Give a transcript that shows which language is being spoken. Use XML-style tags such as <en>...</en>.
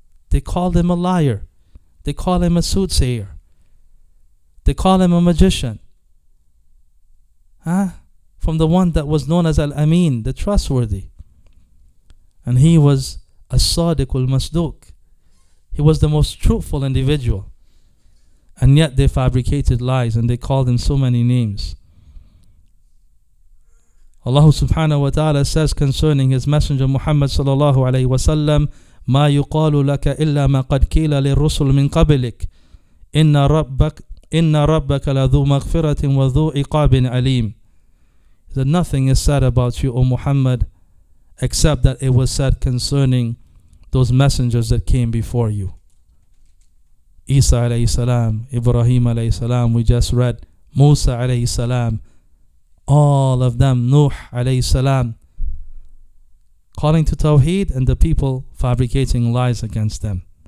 <en>They called him a liar. They call him a soothsayer. They call him a magician. Huh? From the one that was known as Al-Amin, the trustworthy. And he was As-Sadiq al-Masduq. He was the most truthful individual. And yet they fabricated lies and they called him so many names.</en> <ar>Allah subhanahu wa ta'ala</ar> <en>says concerning his messenger</en> <ar>Muhammad sallallahu alayhi wa sallam, مَا يُقَالُ لَكَ إِلَّا مَا قَدْ كِيلَ لِلرُّسُلُ مِنْ قَبْلِكَ إِنَّ رَبَّكَ لَذُو مَغْفِرَةٍ وَذُو عِقَابٍ عَلِيمٍ.</ar> <en>That nothing is said about you, O Muhammad, except that it was said concerning those messengers that came before you. Isa alayhi salam, Ibrahim alayhi salam, we just read, Musa alayhi salam, all of them, Nuh alayhi salam, calling to Tawheed and the people fabricating lies against them.</en>